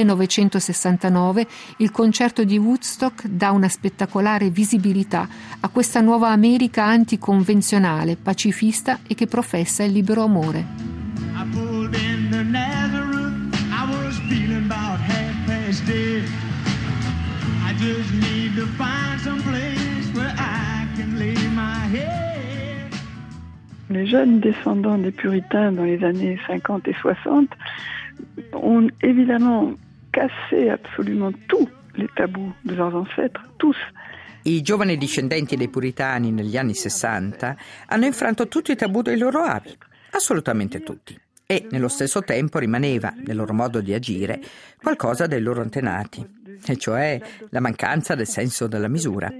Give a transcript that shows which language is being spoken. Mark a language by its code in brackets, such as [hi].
[it] ...1969, il concerto di Woodstock dà una spettacolare visibilità a questa nuova America anticonvenzionale, pacifista e che professa il libero amore. [en] I pulled in the Nazareth, I was feeling about half past dead. I just need to find some place where I can lay my head. [fr] Les jeunes descendants des puritains dans les années 50 et 60 ont évidemment cassé absolument tous les tabous de leurs ancêtres, tous. [it] I giovani discendenti dei puritani negli anni 60 hanno infranto tutti i tabù dei loro avi, assolutamente tutti. E nello stesso tempo rimaneva, nel loro modo di agire, qualcosa dei loro antenati, e cioè la mancanza del senso della misura.